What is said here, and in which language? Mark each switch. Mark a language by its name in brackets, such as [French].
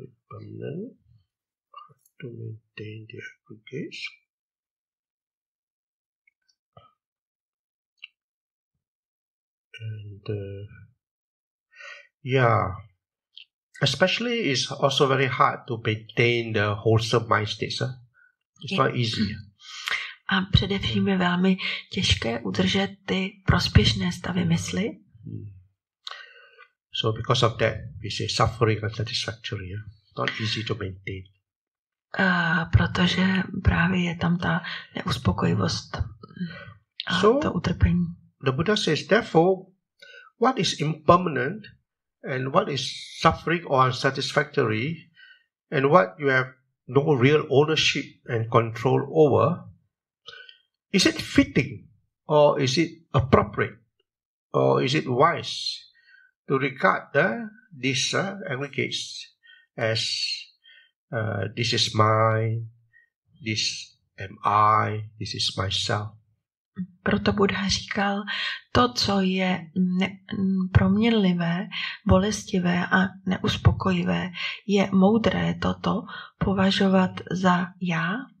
[English] Permanent. Hard to maintain the aggregates. And especially it's also very hard to maintain the wholesome mind state. It's not easy. [Czech] A především je velmi těžké udržet ty prospěšné stavy mysli. [English] So because of that, we say suffering unsatisfactory. Not easy to maintain. [Czech] Protože právě je tam ta neuspokojivost a [English] so, [Czech] to utrpení. [English] The Buddha says, therefore, what is impermanent and what is suffering or unsatisfactory and what you have no real ownership and control over, is it fitting or is it appropriate or is it wise to regard these aggregates as this is mine, this am I, this is myself? [Czech] Proto Buddha říkal, to, co je proměnlivé, bolestivé a neuspokojivé, je moudré toto považovat za já?